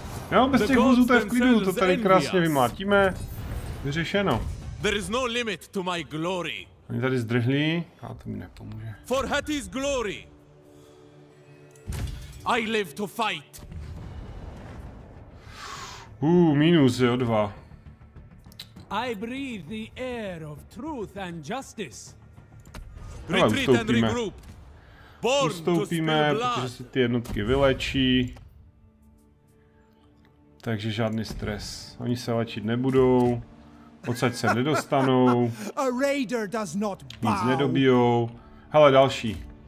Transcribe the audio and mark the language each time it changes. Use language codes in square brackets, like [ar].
[cs] Já mám bez těch vůzů, to je v klidu, to tady krásně vymlátíme. Vyřešeno. [en] There is no limit to my glory. [cs] Oni tady zdrhli, ale to mi nepomůže. [en] For Hattie's glory. I live to fight. [cs] Minus je o 2. [en] I breathe the air of truth and justice. Retreat and regroup. [cs] Ustoupíme, protože si ty jednotky vylečí. Takže žádný stres. Oni se léčit nebudou. Odsaď se nedostanou. [en] A raider does not bow. [cs] Nic nedobijou. Hele, další.